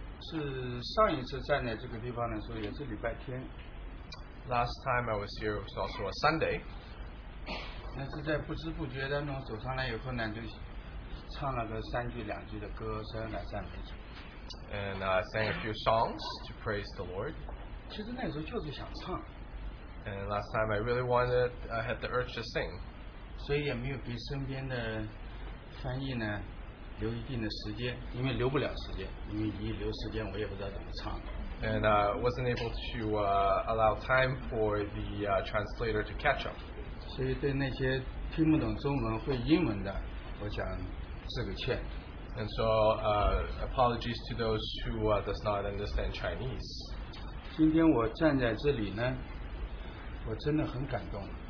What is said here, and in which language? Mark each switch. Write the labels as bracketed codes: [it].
[zh] 是上一次站在这个地方的时候也是礼拜天。 [en] Last time I was here was also a Sunday. [zh] 那是在不知不觉当中走上来以后呢，就唱了个三句两句的歌，三两赞美主。 [en] and sang a few songs to praise the Lord. [zh] 其实那时候就是想唱. [en] And last time I really wanted, I had the urge to sing. [zh] 所以也没有给身边的翻译呢, 留一定的时间, 因为留不了时间, 因为一留时间, 我也不知道怎么唱. [en] And I wasn't able to allow time for the translator to catch up. [zh] 所以对那些听不懂中文会英文的, 我想致个歉。 [en] And so, apologies to those who does not understand Chinese. [zh] 今天我站在这里呢, 我真的很感动。